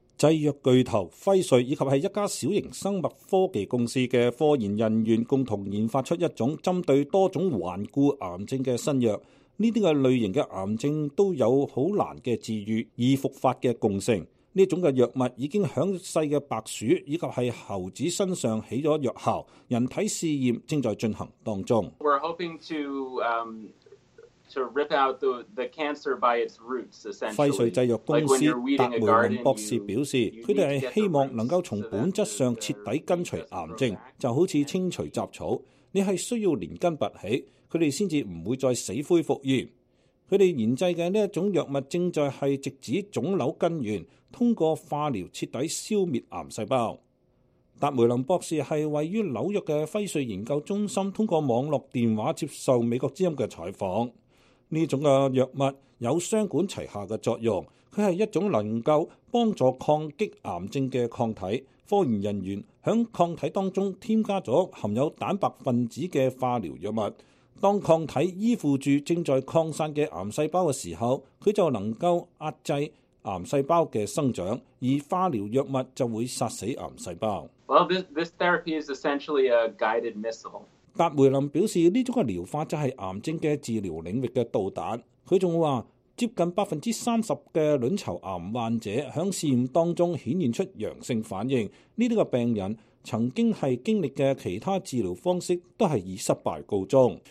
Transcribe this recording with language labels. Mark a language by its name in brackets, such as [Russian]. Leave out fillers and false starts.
[Chinese] 制药巨头辉瑞以及是一家小型生物科技公司的科研人员共同研发出一种针对多种顽固癌症的新药。这些类型的癌症都有很难的治愈易复发的共性。这种药物已经在小的白鼠以及是猴子身上起了药效，人体试验正在进行当中。 [English] We're hoping to rip out the cancer by its roots, essentially. [Chinese] 辉瑞制药公司达梅隆博士表示，他们是希望能够从本质上彻底根除癌症，就好像清除杂草，你是需要连根拔起，他们才不会再死灰复燃。他们研制的这种药物正在是直指肿瘤根源，通过化疗彻底消灭癌细胞。达梅林博士是位于纽约的辉瑞研究中心通过网络电话接受美国之音的采访。这种药物有双管齐下的作用，它是一种能够帮助抗击癌症的抗体。科研人员在抗体当中添加了含有蛋白分子的化疗药物，当抗体依附住正在扩散的癌细胞的时候，它就能够压制癌细胞的生长，而化疗药物就会杀死癌细胞。 [English] Well, this therapy is essentially a guided missile. [Chinese] 达梅林表示，这种疗法就是癌症的治疗领域的导弹。他还说，接近 30% 的卵巢癌患者在试验当中显现出阳性反应，这个病人曾经是经历的其他治疗方式都是以失败告终。